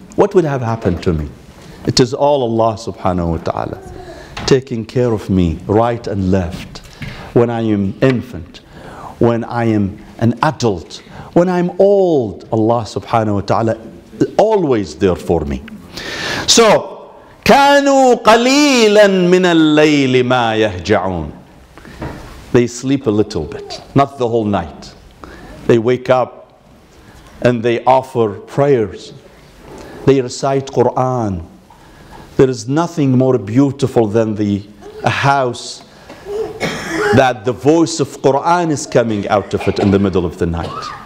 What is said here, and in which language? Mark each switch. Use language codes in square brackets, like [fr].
[en] What would have happened to me? It is all Allah subhanahu wa ta'ala taking care of me right and left. When I am infant, when I am an adult, when I'm old, Allah subhanahu wa ta'ala always there for me. So, [ar] كانوا قليلا من الليل ما يهجعون. [en] They sleep a little bit, not the whole night. They wake up and they offer prayers. They recite Quran. There is nothing more beautiful than a house that the voice of Quran is coming out of it in the middle of the night.